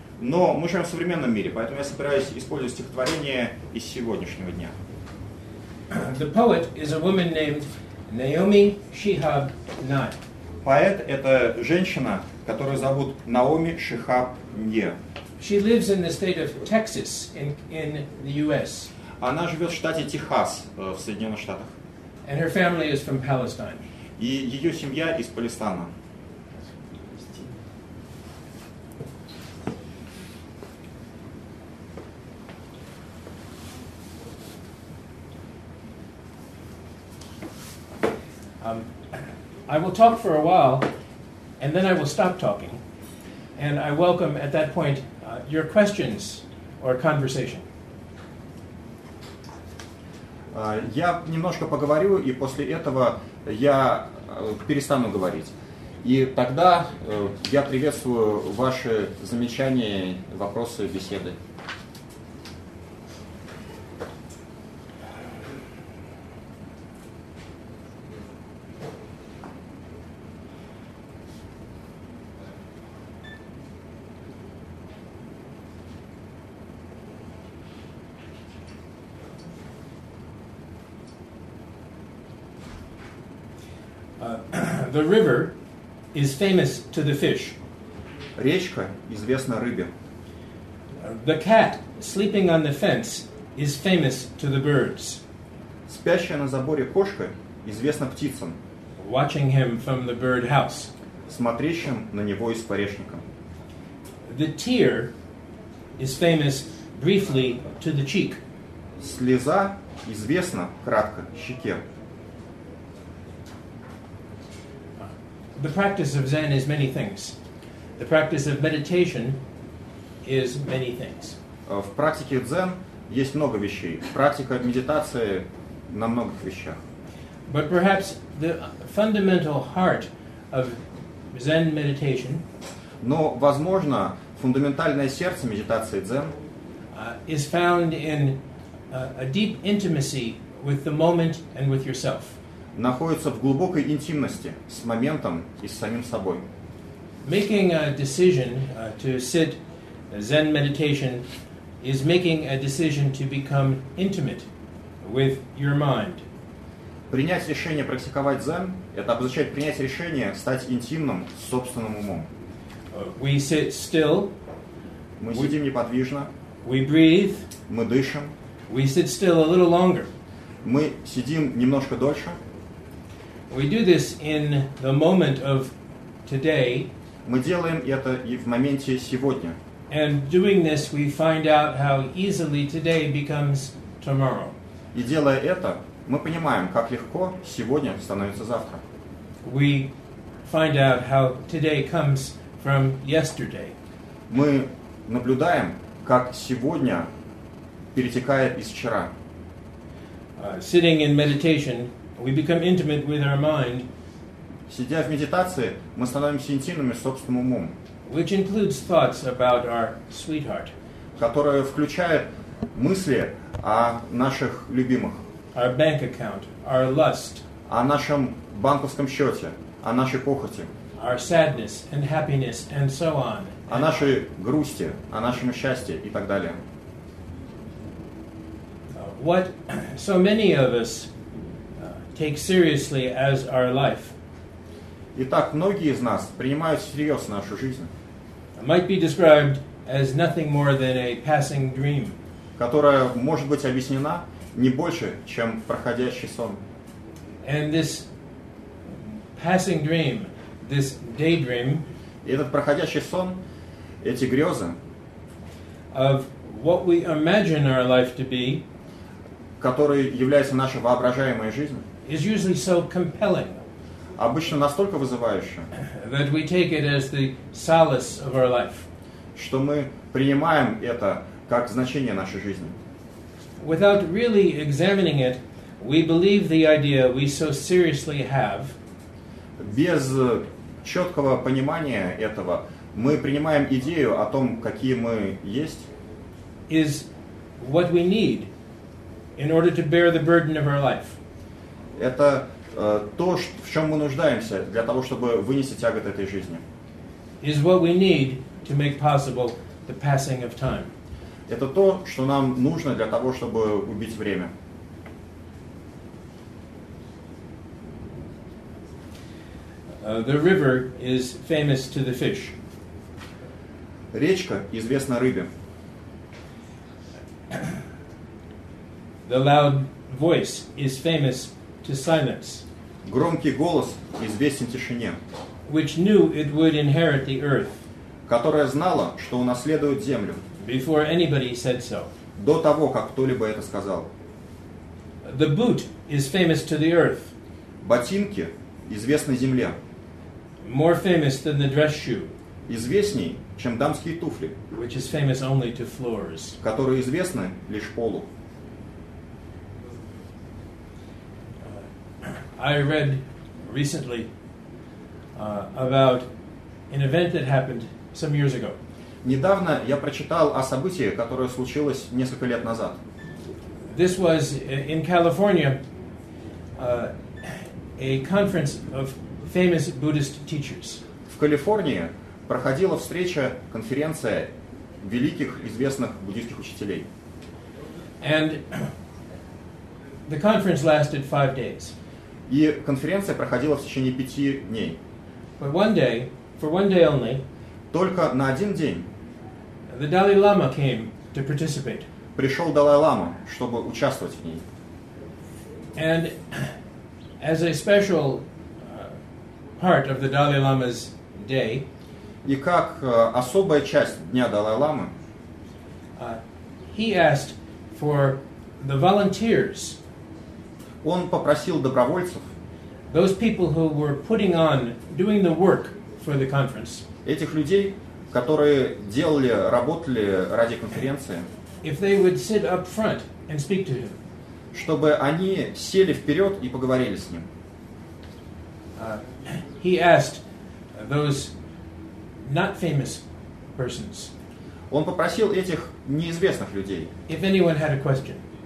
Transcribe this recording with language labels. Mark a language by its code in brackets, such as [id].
[ru] Но мы живем в современном мире, поэтому я собираюсь использовать стихотворение из сегодняшнего дня. [en] The poet is a woman named Naomi Shihab Nye. [ru] Поэт — это женщина, которую зовут Наоми Шихаб Нье. [en] She lives in the state of Texas in the U.S. [ru] Она живет в штате Техас в Соединенных Штатах. [en] And her family is from Palestine. [ru] И ее семья из Палестина. [en] I will talk for a while, and then I will stop talking, and I welcome at that point your questions or conversation. [ru] Я немножко поговорю, и после этого я перестану говорить. И тогда я приветствую ваши замечания, вопросы, беседы. [en] The river is famous to the fish. [ru] Речка известна рыбе. [en] The cat sleeping on the fence is famous to the birds. [ru] Спящая на заборе кошка известна птицам. [en] Watching him from the bird house. [ru] Смотрящим на него из парешника. [en] The tear is famous briefly to the cheek. [ru] Слеза известна кратко щеке. [en] The practice of Zen is many things. The practice of meditation is many things. [ru] В практике дзен есть много вещей. Практика медитации на многих вещах. [en] But perhaps the fundamental heart of Zen meditation. [ru] Но возможно фундаментальное сердце медитации дзен [en] is found in a deep intimacy with the moment and with yourself. [ru] Находится в глубокой интимности с моментом и с самим собой. [en] Making a decision to sit Zen meditation is making a decision to become intimate with your mind. [ru] Принять решение практиковать Zen — Это обозначает принять решение стать интимным с собственным умом. [en] We sit still. [ru] Мы сидим неподвижно. [en] We breathe. [ru] Мы дышим. [en] We sit still a little longer. [ru] Мы сидим немножко дольше. [en] We do this in the moment of today. [ru] Мы делаем это и в моменте сегодня. [en] And doing this, we find out how easily today becomes tomorrow. [ru] И делая это, мы понимаем, как легко сегодня становится завтра. [en] We find out how today comes from yesterday. [ru] Мы наблюдаем, как сегодня перетекает из вчера. [en] Sitting in meditation, we become intimate with our mind. [ru] Сидя в медитации, мы становимся интимными с собственным умом. [en] Which includes thoughts about our sweetheart. [ru] Которая включает мысли о наших любимых. [en] Our bank account, our lust. [ru] О нашем банковском счете, о нашей похоти. [en] Our sadness and happiness and so on. [ru] О нашей грусти, о нашем счастье и так далее. [en] What so many of us take seriously as our life. [ru] Итак, многие из нас принимают всерьез нашу жизнь. [en] Might be described as nothing more than a passing dream. [ru] Которая может быть объяснена не больше, чем проходящий сон. [en] And this passing dream, this daydream, [ru] этот проходящий сон, эти грезы, [en] of what we imagine our life to be, [ru] который является наша воображаемая жизнь, [en] is usually so compelling. [ru] Обычно настолько вызывающе, [en] that we take it as the solace of our life. [ru] Что мы принимаем это как значение нашей жизни. [en] Without really examining it, we believe the idea we so seriously have. [ru] Без четкого понимания этого, мы принимаем идею о том, какие мы есть. [en] Is what we need in order to bear the burden of our life. [ru] Это то, в чем мы нуждаемся для того, чтобы вынести тяготы этой жизни. [en] Is what we need to make possible the passing of time. [ru] Это то, что нам нужно для того, чтобы убить время. [en] The river is famous to the fish. [ru] Речка известна рыбе. [en] The loud voice is famous to silence. [ru] Громкий голос известен тишине, [en] which knew it would inherit the earth, [ru] которая знала, что унаследует землю, [en] before anybody said so. [ru] До того, как кто-либо это сказал. [en] The boot is famous to the earth, [ru] ботинки известны земле, [en] more famous than the dress shoe, [ru] известней, чем дамские туфли, [en] which is famous only to floors, [ru] которые известны лишь полу. [en] I read recently about an event that happened some years ago. [ru] Недавно я прочитал о событии, которое случилось несколько лет назад. [en] This was in California, a conference of famous Buddhist teachers. [ru] В Калифорнии проходила встреча, конференция великих известных буддийских учителей. [en] And the conference lasted 5 days. [ru] И конференция проходила в течение 5 дней. [en] But one day, for one day only, [ru] только на один день, [en] the Dalai Lama came to participate. [ru] Пришел Далай-лама, чтобы участвовать в ней. [en] And as a special part of the Dalai Lama's day, [ru] и как особая часть дня Далай-ламы, [en] he asked for the volunteers. [ru] Он попросил добровольцев. [en] Those people who were putting on, doing the work for the conference. [ru] Этих людей, которые делали, работали ради конференции. [en] If they would sit up front and speak to him. [ru] Чтобы они сели вперед и поговорили с ним. [en] He asked those not famous persons. [ru] Он попросил этих неизвестных людей. [en] If anyone had a question.